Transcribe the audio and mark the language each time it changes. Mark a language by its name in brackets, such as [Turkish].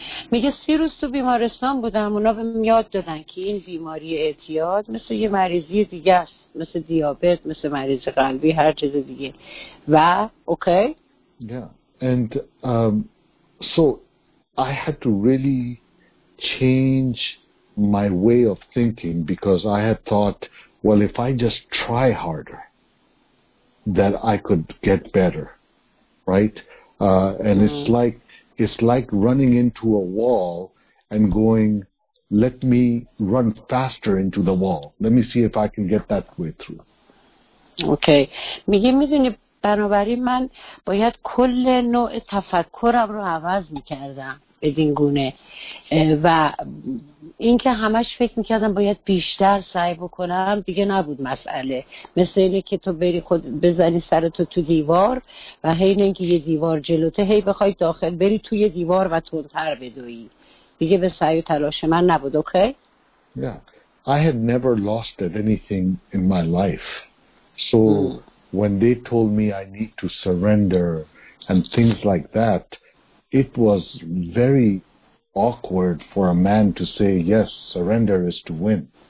[Persian] میگه 30 روز تو بیمارستان بودم اونا به من یاد دادن که این بیماری اعتیاد مثل یه مریضی دیگه است مثل دیابت مثل مریضی قلبی هر چیز دیگه و اوکی [English] and so I had to really change my way of thinking because I had thought well if I just try harder that I could get better right and it's like running into a wall and going let me run faster into the wall let me see if I can get that way through. Okay. [Persian] میگه میدونی بنابراین من باید کل نوع تفکرم رو عوض میکردم بدین گونه و اینکه همش فکر میکردم باید بیشتر سعی بکنم دیگه نبود مسئله مثل اینه که تو بری خود بزنی سرتو تو دیوار و حین اینکه یه دیوار جلوته هی بخوای داخل بری توی دیوار و تندتر بدویی دیگه به سعی و تلاش من نبود. [English] Okay? I had never lost anything in my life so when they told me I need to surrender and things like that it was very awkward for a man to say yes surrender is to win.